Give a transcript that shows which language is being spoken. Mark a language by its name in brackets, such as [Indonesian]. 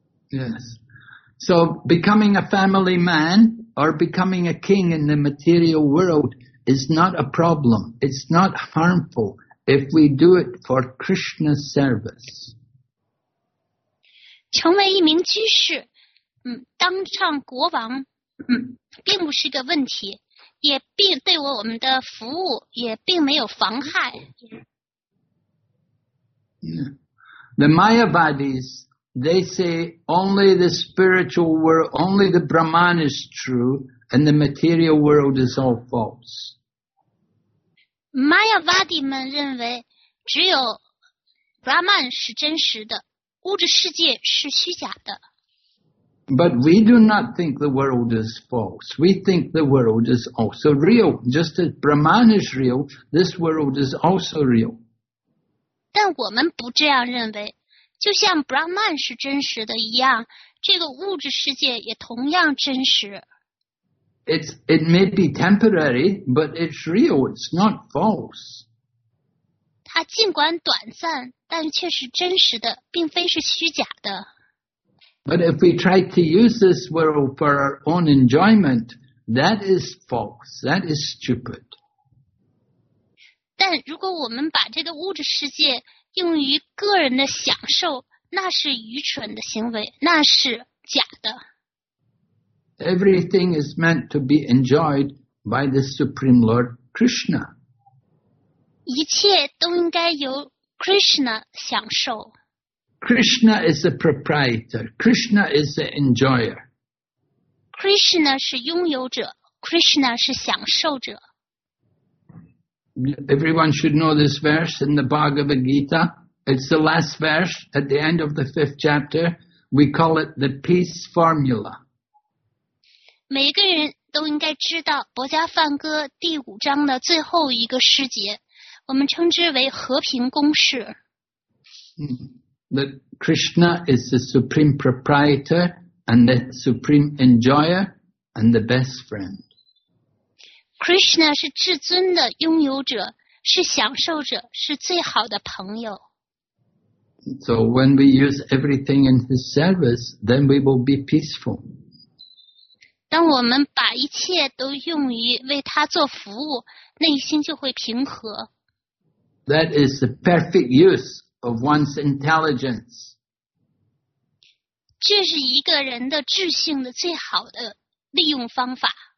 [English] Yes. So becoming a family man or becoming a king in the material world. It's not a problem. It's not harmful if we do it for Krishna's service. [Chinese] 成为一名居士，当上国王，并不是一个问题，也并对我们的服务也并没有妨害。 [English] The Mayavadis, they say only the spiritual world, only the Brahman is true, and the material world is all false. [Chinese] Mayavadi 们认为只有 Brahman 是真实的，物质世界是虚假的。 [English] But we do not think the world is false. We think the world is also real. Just as Brahman is real, this world is also real. [Chinese] 但我们不这样认为，就像 Brahman 是真实的一样，这个物质世界也同样真实。 [English] It may be temporary, but it's real. It's not false. [Chinese] 它尽管短暂，但却是真实的，并非是虚假的。 [English] But if we try to use this world for our own enjoyment, that is false, that is stupid. [Chinese] 但如果我们把这个物质世界用于个人的享受，那是愚蠢的行为，那是假的。 [English] Everything is meant to be enjoyed by the Supreme Lord Krishna. [Chinese] 一切都应该由 Krishna 享受。 [English] Krishna is the proprietor. Krishna is the enjoyer. [Chinese] Krishna 是拥有者， Krishna 是享受者。 [English] Everyone should know this verse in the Bhagavad Gita. It's the last verse at the end of the fifth chapter. We call it the peace formula. [Chinese] 每个人都应该知道《博伽梵歌》第五章的最后一个诗节，我们称之为和平公式。 [English] That Krishna is the supreme proprietor and the supreme enjoyer and the best friend. [Chinese] Krishna 是至尊的拥有者，是享受者，是最好的朋友。 [English] So when we use everything in his service, then we will be peaceful. [Chinese] 当我们把一切都用于为他做服务，内心就会平和。 [English] That is the perfect use. Of one's intelligence. [Chinese] 这是一个人的智性的最好的利用方法。